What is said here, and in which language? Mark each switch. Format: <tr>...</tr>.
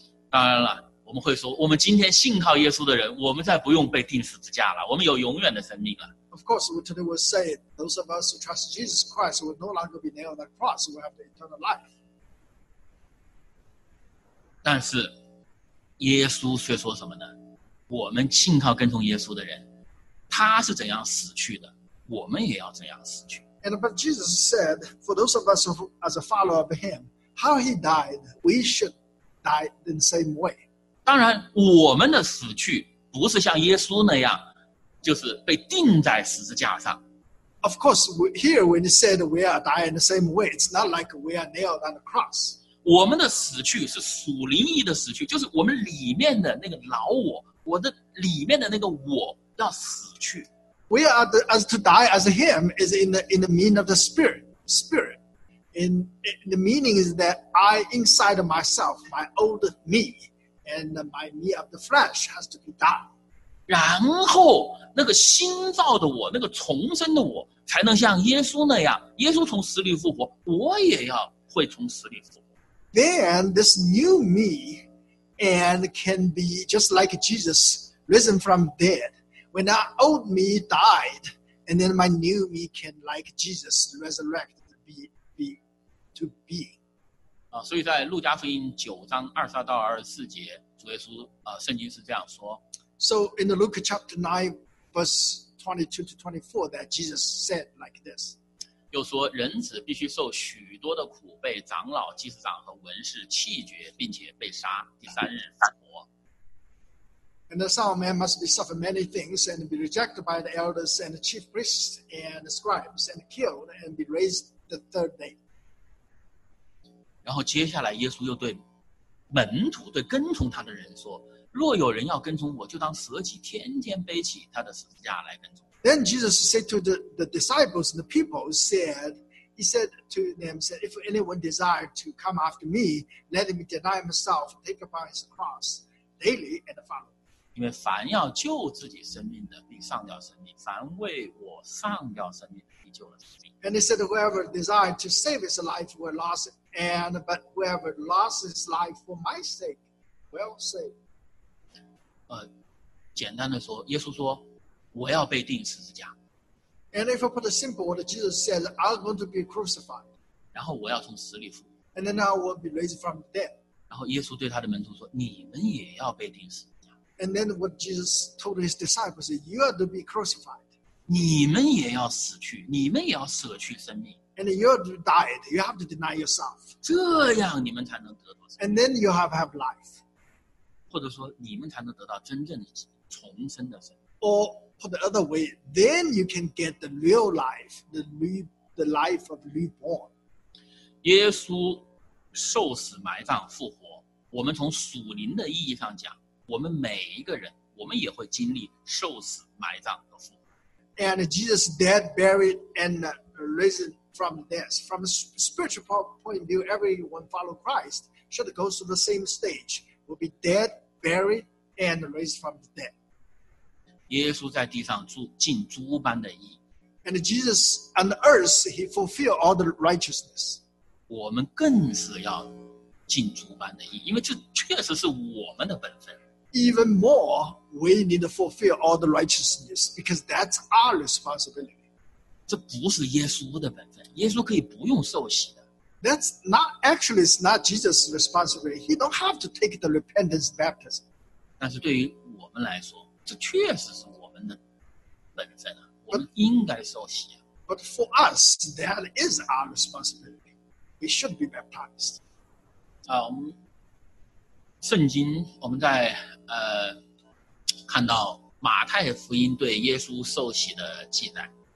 <zh>当然了，我们会说，我们今天信靠耶稣的人，我们再不用被钉十字架了，我们有永远的生命了。</zh> <en>Of course, today we'll say those of us who trust Jesus Christ will no longer be nailed on the cross. We'll have the eternal life.</en> <zh>但是，耶稣却说什么呢？我们信靠跟从耶稣的人，他是怎样死去的，我们也要怎样死去。</zh> <en>And but Jesus said, for those of us who, as a follower of Him, how He died, we should die in the same way.</en> <zh>当然，我们的死去不是像耶稣那样。就是被钉在十字架上。</zh> <en>Of course, here when you said we are dying in the same way, it's not like we are nailed on the cross.</en> <zh>我们的死去是属灵意的死去，就是我们里面的那个老我，我的里面的那个我要死去。</zh> <en>We are the, as to die as him is in the meaning of the spirit. In the meaning is that I inside of myself, my old me, and my me of the flesh has to be died.</en> <zh>然后那个新造的我，那个重生的我，才能像耶稣那样，耶稣从死里复活，我也要会从死里复活。</zh> <en>Then this new me and can be just like Jesus risen from dead. When that old me died, and then my new me can like Jesus resurrected to be.</en> <zh>所以在路加福音九章二十二到二十四节，主耶稣圣经是这样说。</zh> <en>So in the Luke chapter 9, verse 22 to 24, that Jesus said like this.</en> <zh>又说人子必须受许多的苦，被长老、祭司长和文士弃绝，并且被杀，第三日复活。</zh> <en>And the Son of Man must be suffered many things and be rejected by the elders and the chief priests and the scribes and killed and be raised the third day.</en> <zh>然后接下来耶稣又对门徒、对跟从他的人说，若有人要跟从我，就当舍己，天天背起他的十字架来跟从。</zh> <en>Then Jesus said to the disciples and the people, he said to them, said, if anyone desire to come after me, let him deny himself, take upon his cross daily and follow.</en> <zh>因为凡要救自己生命的，必丧掉生命；凡为我丧掉生命的，必救了生命。</zh> <en>And he said, whoever desire to save his life will lose it, and but whoever lost his life for my sake will save.</en> <zh>简单的说，耶稣说，我要被钉十字架。</zh> <en>And if I put it simple, what Jesus said, I'm going to be crucified.</en> <zh>然后我要从死里复活。</zh> <en>And then I will be raised from the dead.</en> <zh>然后耶稣对他的门徒说，你们也要被钉十字架。</zh> <en>And then what Jesus told his disciples, you are to be crucified.</en> <zh>你们也要死去，你们也要舍去生命。</zh> <en>And you are to die, you have to deny yourself.</en> <zh>这样你们才能得到生命。</zh> <en>And then you have life.</en> <zh>或者说，你们才能得到真正的重生的生命。</zh> <en>Or put the other way, then you can get the real life, the life of reborn.</en> <zh>耶稣受死、埋葬、复活，我们从属灵的意义上讲，我们每一个人，我们也会经历受死、埋葬和复活。</zh> <en>And Jesus dead, buried, and risen from death. From a spiritual point of view, everyone follow Christ should go to the same stage. Will be dead, buried, and raised from the dead.</en> <zh>耶稣在地上尽猪般的义。</zh> <en>And Jesus on the earth, he fulfilled all the righteousness.</en> <zh>我们更是要尽猪般的义，因为这确实是我们的本分。</zh> <en>Even more, we need to fulfill all the righteousness because that's our responsibility.</en> <zh>这不是耶稣的本分，耶稣可以不用受洗的。</zh> <en>That's not actually it's not Jesus' responsibility. He don't have to take the repentance baptism.</en> <zh>但是对于我们来说，这确实是我们的本分啊，我们应该受洗啊。</zh> <en>But for us, that is our responsibility. We should be baptized.</en> <zh>啊，我们圣经我们在看到马太福音对耶稣受洗的记载。</zh>